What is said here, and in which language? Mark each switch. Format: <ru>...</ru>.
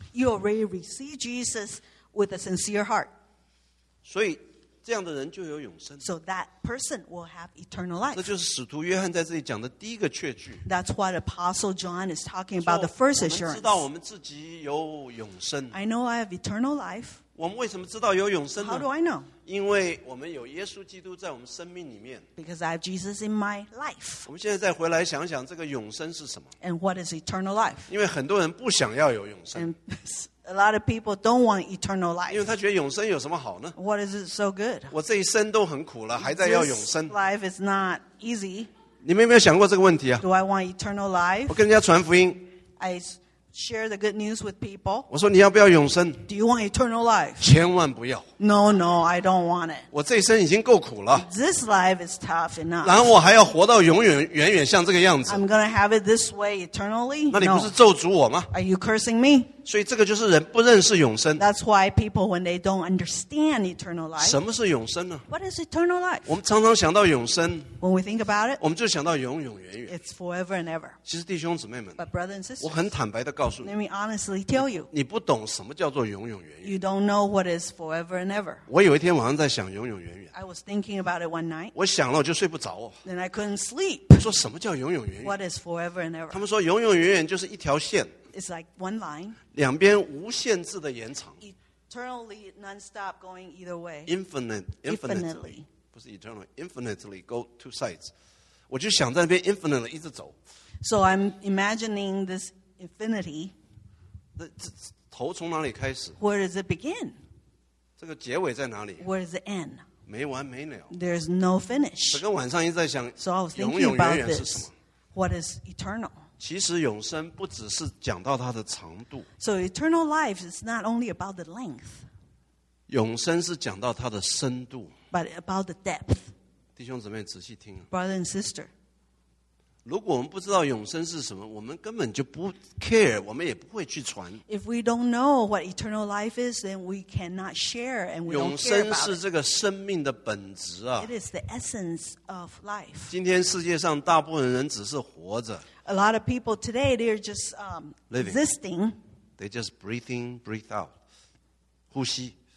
<en>you already receive Jesus with a sincere heart.</en> <zh>所以这样的人就有永生。</zh> <en>So that person will have eternal life.</en> <zh>这就是使徒约翰在这里讲的第一个确据。</zh> <en>That's what Apostle John is talking about, the first assurance.</en> <zh>我们知道我们自己有永生。</zh> <en>I know I have eternal life.</en> <zh>我们为什么知道有永生呢?</zh> <en>How do I know?</en> <zh>因为我们有耶稣基督在我们生命里面。</zh> <en>Because I have Jesus in my life.</en> <zh>我们现在再回来想想这个永生是什么。</zh> <en>And what is eternal life?</en> <zh>因为很多人不想要有永生。</zh> <en>A lot of people don't want eternal life.</en> <zh>因为他觉得永生有什么好呢?</zh> <en>What is it so good?</en> <zh>我这一生都很苦了, 还在要永生。</zh> <en>This life is not easy.</en> <zh>你们有没有想过这个问题啊?</zh> <en>Do I want eternal life?</en> <zh>我跟人家传福音。</zh> <en>I share the good news with people.</en> <zh>我说你要不要永生?</zh> <en>Do you want eternal life?</en> <zh>千万不要。</zh> <en>No, no, I don't want it.</en> <zh>我这一生已经够苦了。</zh> <en>This life is tough enough.</en> <zh>然后我还要活到永远远远像这个样子。</zh> <en>I'm going to have it this way eternally?</en> <zh>那你不是咒诅我吗?</zh> <en>No. Are you cursing me?</en> <zh>所以这个就是人不认识永生。</zh> <en>That's why people, when they don't understand eternal life.</en> <zh>什么是永生呢?</zh> <en>What is eternal life?</en> <zh>我们常常想到永生。</zh> <en>When we think about it,</en> <zh>我们就想到永永远远。</zh> <en>It's forever and ever.</en> <zh>其实弟兄姊妹们,</zh> <en>but brothers and sisters,</en> <zh>我很坦白地告诉你,</zh> <en>let me honestly tell you,</en> <zh>你不懂什么叫做永永远远。</zh> <en>You don't know what is forever and ever.</en> <zh>我有一天晚上在想永永远远。</zh> <en>I was thinking about it one night.</en> <zh>我想了我就睡不着。</zh> <en>Then I couldn't sleep.</en> <zh>说什么叫永永远远?</zh> <en>What is forever and ever?</en> <zh>他们说永永远远就是一条线。</zh> <en>It's like one line.</en> <zh>两边无限制的延长。</zh> <en>Eternally, non-stop going either way. Infinitely.</en> <zh>不是</zh> <en>eternally, infinitely go two sides.</en> <zh>我就想在那边 infinitely 一直走。</zh> <en>So I'm imagining this infinity.</en> <zh>头从哪里开始?</zh> <en>Where does it begin?</en> <zh>这个结尾在哪里?</zh> <en>Where does it end?</en> <zh>没完没了。</zh> <en>There's no finish.</en> <zh>整个晚上一直在想,</zh> <en>so I was thinking about this. What is eternal?</en> <zh>其实永生不只是讲到它的长度。</zh> <en>So eternal life is not only about the length.</en> <zh>永生是讲到它的深度。</zh> <en>But about the depth.</en> <zh>弟兄姊妹仔细听。</zh> <en>Brother and sister.</en> <zh>如果我们不知道永生是什么, 我们根本就不care, 我们也不会去传。</zh> <en>If we don't know what eternal life is, then we cannot share, and we don't care about it.</en> <zh>永生是这个生命的本质啊。</zh> <en>It is the essence of life.</en> <zh>今天世界上大部分人只是活着。</zh> <en>A lot of people today, they're just existing. They're just breathe out.</en> <zh>呼吸。</zh>